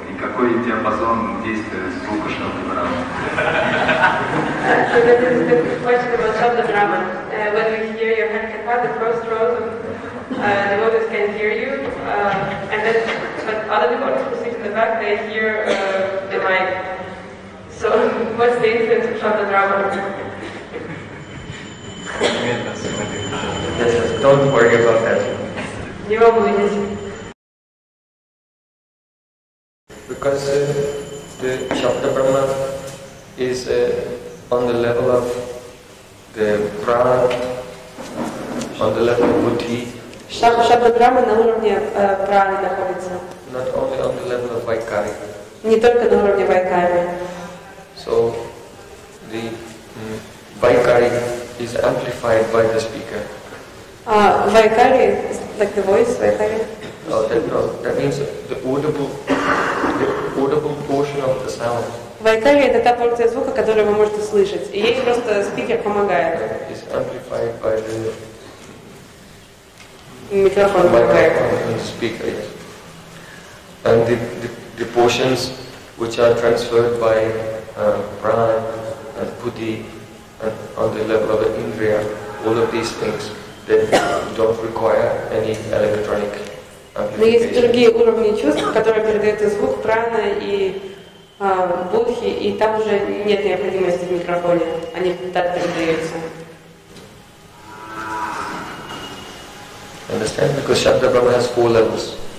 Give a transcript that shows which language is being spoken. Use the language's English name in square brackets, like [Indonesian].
[Russian] И какой диапазон действия звука шелдобрама? [English] So that is the question about шелдобрама. When we hear your hand can pass the first row, the devotees can hear you. And then, but other devotees who sit in the back, they hear the mic. So what's the instance of шелдобрама? This is, don't worry about that. [Russian] Не волнуйтесь. [English] Because the шелдобрама is on the level of the prana, on the level of buddhi. [Russian] Шелдобрама на уровне праны находится. [English] Not only on the level of vaikari. [Russian] Не только на уровне vaikari. [English] So the vaikari is amplified by the speaker. Vaikari, like the voice, vaikari. That means the audible. Audible portion of the sound. [Russian] Vaikari – это та порция звука, которую вы можете слышать. И ей просто спикер помогает. [English] It's amplified by the microphone. Microphone and speaker, yes. And the portions which are transferred by prana and buddhi and on the level of the indriya, all of these things, they don't require any electronic. [Russian] Но есть другие уровни чувств, которые передают и звук, прана и будхи, и там уже нет необходимости в микрофоне, они так передаются. [English] Understand? Because шелдобрама has four levels.